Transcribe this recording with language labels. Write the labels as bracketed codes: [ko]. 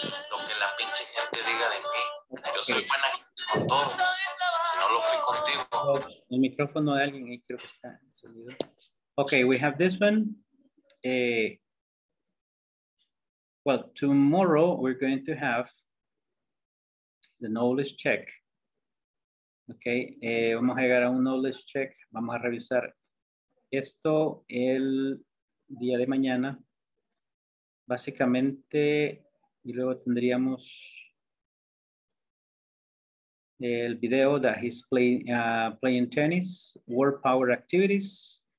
[es] Lo que la pinche gente diga de mí, yo soy buena con todo, si no lo El micrófono de alguien ahí creo que está encendido. [en] Okay, we have this one. Well, tomorrow we're going to have the knowledge check. [es] Okay, vamos a llegar a un knowledge check. Vamos a revisar esto el día de mañana. Básicamente, y luego tendríamos el video [en] that he's playing tennis, word power activities.